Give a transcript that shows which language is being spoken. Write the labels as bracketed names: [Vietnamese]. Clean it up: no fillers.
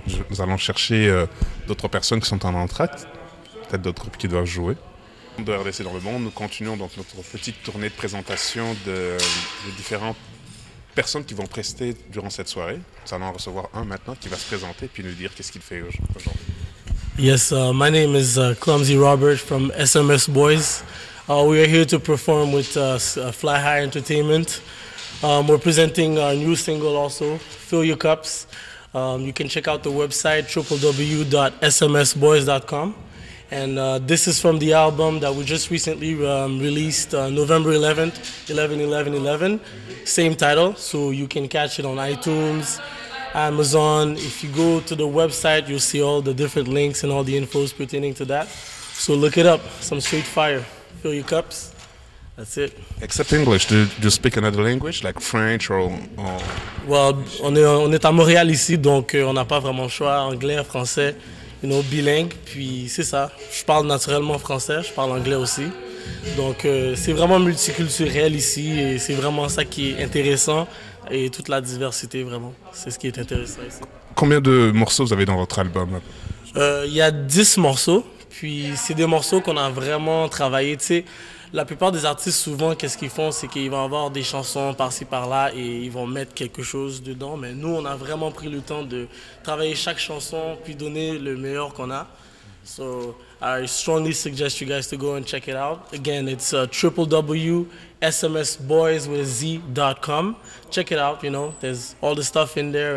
[French] nous allons chercher d'autres personnes qui sont en entracte, peut-être d'autres groupes qui doivent jouer. De RDC dans le monde, nous continuons donc notre petite tournée de présentation de différentes personnes qui vont prester durant cette soirée. Nous allons en recevoir un maintenant qui va se présenter puis nous dire qu'est-ce qu'il fait aujourd'hui. [English] Yes, my name is Clumsy Robert from SMS Boys. We are here to perform with Fly High Entertainment. We're presenting our new single also, Fill Your Cups. You can check out the website www.smsboys.com. And this is from the album that we just recently released, November 11th, 11-11-11, same title. So you can catch it on iTunes, Amazon. If you go to the website, you'll see all the different links and all the infos pertaining to that. So look it up, some straight fire. Fill your cups. That's it. Except English. Do you speak another language, like French or... [French] Well, on est à Montréal ici, donc on n'a pas vraiment le choix, anglais, français. [English] You know, [French] bilingue, puis c'est ça. Je parle naturellement français, je parle anglais aussi. Donc c'est vraiment multiculturel ici et c'est vraiment ça qui est intéressant. Et toute la diversité, vraiment, c'est ce qui est intéressant ici. Combien de morceaux vous avez dans votre album? Il y a 10 morceaux, puis c'est des morceaux qu'on a vraiment travaillé. Tu sais, la plupart des artistes, souvent, qu'est-ce qu'ils font, c'est qu'ils vont avoir des chansons par-ci, par-là et ils vont mettre quelque chose dedans. Mais nous, on a vraiment pris le temps de travailler chaque chanson puis donner le meilleur qu'on a. [English] So, I strongly suggest you guys to go and check it out. Again, it's www.smsboyswithaz.com. Check it out, you know, there's all the stuff in there.